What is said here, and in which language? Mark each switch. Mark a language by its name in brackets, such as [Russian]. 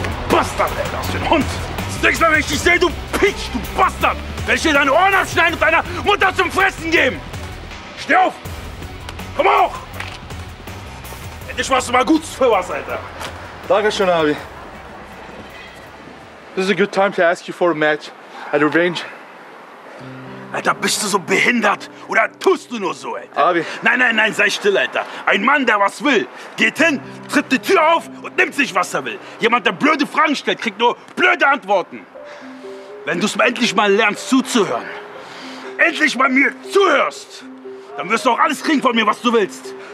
[German] Bastard, Alter, was für ein Hund! Das nächste Mal, wenn ich dich sehe, du Pitch, du Bastard, werde ich dir deine Ohren abschneiden und deiner Mutter zum Fressen geben! Steh auf! Komm auch! Endlich machst du mal gut für was, Alter! Dankeschön, Abi. [English] This is a good time to ask you for a match at Revenge. [German] Alter, bist du so behindert oder tust du nur so, Alter? Abi. Nein, sei still, Alter. Ein Mann, der was will, geht hin, tritt die Tür auf und nimmt sich, was er will. Jemand, der blöde Fragen stellt, kriegt nur blöde Antworten. Wenn du es endlich mal lernst, zuzuhören, endlich mal mir zuhörst, dann wirst du auch alles kriegen von mir, was du willst.